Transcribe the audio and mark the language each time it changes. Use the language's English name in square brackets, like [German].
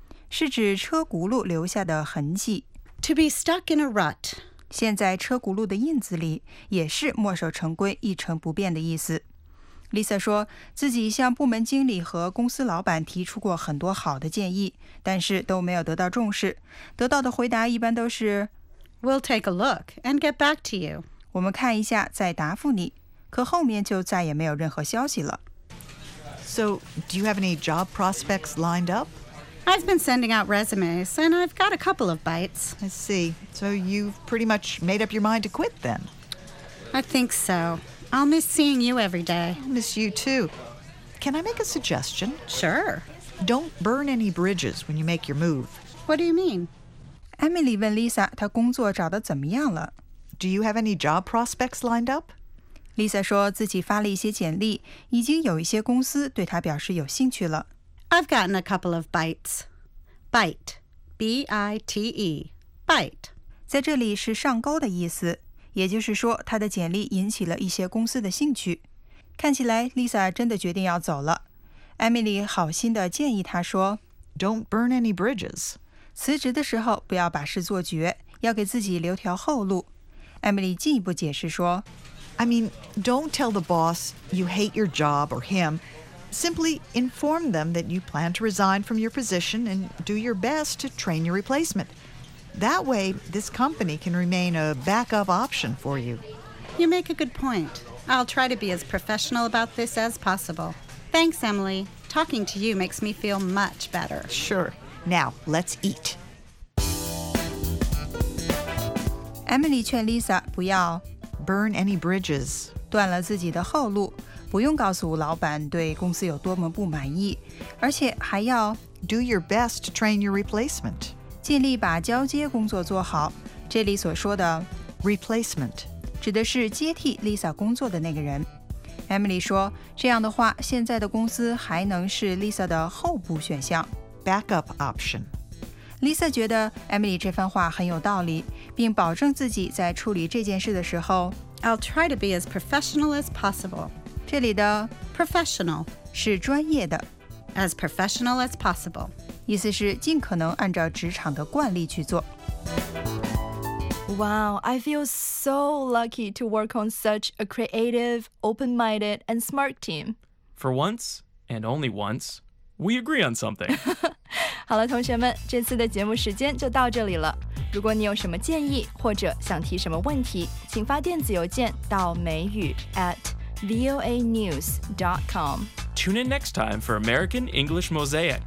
[Chinese] 是指车轱辘留下的痕迹。 [English] To be stuck in a rut. [Chinese] 现在车轱辘的印子里也是墨守成规一成不变的意思。 Lisa 说自己向部门经理和公司老板提出过很多好的建议，但是都没有得到重视。得到的回答一般都是 [English] We'll take a look and get back to you. [Chinese] 我们看一下再答复你。可后面就再也没有任何消息了。 [English] So, do you have any job prospects lined up? I've been sending out resumes, and I've got a couple of bites. I see. So you've pretty much made up your mind to quit, then? I think so. I'll miss seeing you every day. I'll miss you, too. Can I make a suggestion? Sure. Don't burn any bridges when you make your move. What do you mean? [Chinese] Emily 问 Lisa 她工作找得怎么样了。 [English] Do you have any job prospects lined up? [Chinese] Lisa 说自己发了一些简历，已经有一些公司对她表示有兴趣了。 [English] I've gotten a couple of bites. Bite. B-I-T-E. Bite. [Chinese] 在这里是上钩的意思，也就是说她的简历引起了一些公司的兴趣。看起来 Lisa 真的决定要走了。Emily 好心地建议她说 [English] Don't burn any bridges. [Chinese] 辞职的时候不要把事做绝，要给自己留条后路。 Emily 进一步解释说 [English] I mean, don't tell the boss you hate your job or him. Simply inform them that you plan to resign from your position and do your best to train your replacement. That way, this company can remain a backup option for you. You make a good point. I'll try to be as professional about this as possible. Thanks, Emily. Talking to you makes me feel much better. Sure. Now, let's eat. [Chinese] Emily 劝 Lisa 不要 [English] burn any bridges. [Chinese] 断了自己的后路。不用告诉老板对公司有多么不满意，而且还要 [English] do your best to train your replacement， [Chinese] 尽力把交接工作做好。这里所说的 [English] replacement [Chinese] 指的是接替 Lisa 工作的那个人。Emily 说，这样的话，现在的公司还能是 Lisa 的候补选项 [English] backup option。 [Chinese] Lisa 觉得 Emily 这番话很有道理，并保证自己在处理这件事的时候 [English] I'll try to be as professional as possible. [Chinese] 这里的 [English] professional [Chinese] 是专业的 [English] as professional as possible [Chinese] 意思是尽可能按照职场的惯例去做 [English] Wow, I feel so lucky to work on such a creative, open-minded, and smart team. For once, and only once, we agree on something. [Chinese] 好了，同学们，这次的节目时间就到这里了。如果你有什么建议或者想提什么问题，请发电子邮件到美语 at voanews.com. [English] Tune in next time for American English Mosaic.